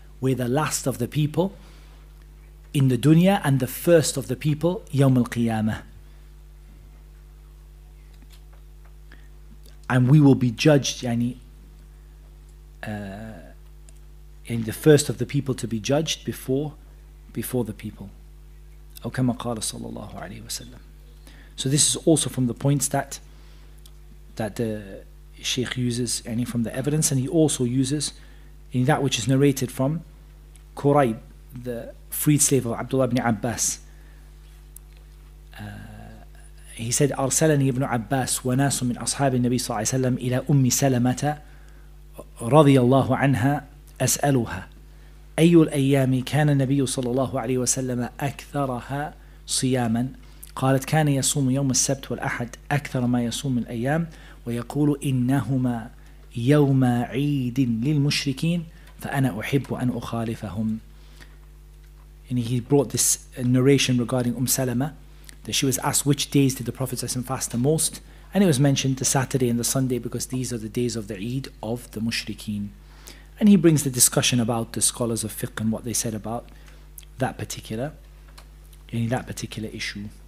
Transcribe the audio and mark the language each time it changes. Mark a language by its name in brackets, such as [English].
[English] We're the last of the people in the dunya and the first of the people, Yawm al-Qiyamah. And we will be judged, and the first of the people to be judged before the people. [Arabic] أو كما قال صلى الله عليه وسلم. [English] So this is also from the points that the Shaykh uses, and from the evidence, and he also uses in that which is narrated from Quraib, the freed slave of Abdullah ibn Abbas. He said, [Arabic] أرسلني ابن عباس وناس من أصحاب النبي صلى الله عليه وسلم إلى أم سلمة رضي الله عنها أسألها أي الأيام كان النبي صلى الله عليه وسلم أكثرها صياما قالت كان يصوم يوم السبت والأحد أكثر ما يصوم من الأيام ويقول إنهما يوم عيد للمشركين فأنا أحب أن أخالفهم. [English] And he brought this narration regarding Salama, that she was asked which days did the Prophet ﷺ fast the most, and it was mentioned the Saturday and the Sunday because these are the days of the Eid of the Mushrikeen. And he brings the discussion about the scholars of fiqh and what they said about that particular issue.